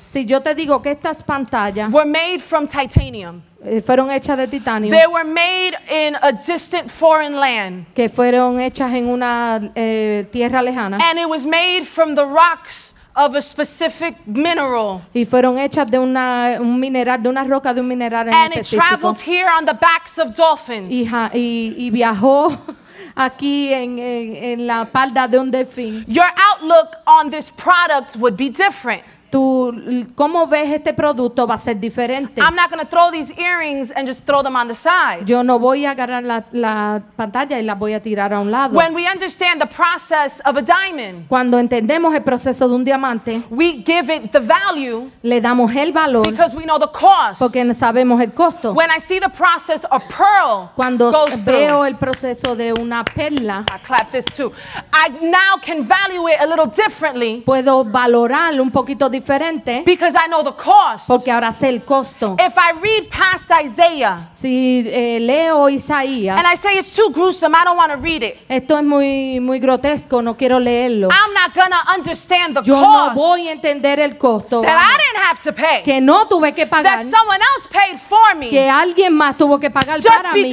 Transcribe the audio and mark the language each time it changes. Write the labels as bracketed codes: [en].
[es] si yo te digo que estas pantallas, [en] were made from titanium. [es] Fueron hechas de titanio. [en] They were made in a distant foreign land. [es] Que fueron hechas en una tierra lejana. [en] And it was made from the rocks of a specific mineral. [es] Y fueron hechas de un mineral, de una roca de un mineral en específico. [en] And it traveled here on the backs of dolphins. [es] Y viajó aquí en la espalda de un delfín. [en] Your outlook on this product would be different. [es] Tú, ¿cómo ves este producto? Va a ser diferente. [en] I'm not going to throw these earrings and just throw them on the side. [es] Yo no voy a agarrar la pantalla y la voy a tirar a un lado. [en] When we understand the process of a diamond, [es] cuando entendemos el proceso de un diamante, [en] we give it the value, [es] le damos el valor, [en] because we know the cost, [es] porque sabemos el costo. [en] When I see the process of pearl, [es] cuando [en] goes [es] veo [en] through, [es] el proceso de una perla, [en] I clap this too. I now can value it a little differently, [es] puedo valorarlo un poquito diferente, [en] because I know the cost. [es] Porque ahora sé el costo. [en] If I read past Isaiah, [es] si leo Isaías, [en] and I say it's too gruesome, I don't want to read it. [es] Esto es muy muy grotesco, no quiero leerlo. [en] I'm not gonna understand the [es] yo [en] cost. [es] Yo no voy a entender el costo. [en] That I didn't have to pay. [es] Que no tuve que pagar. [en] That someone else paid for me. [es] Que alguien más tuvo que pagar para mí.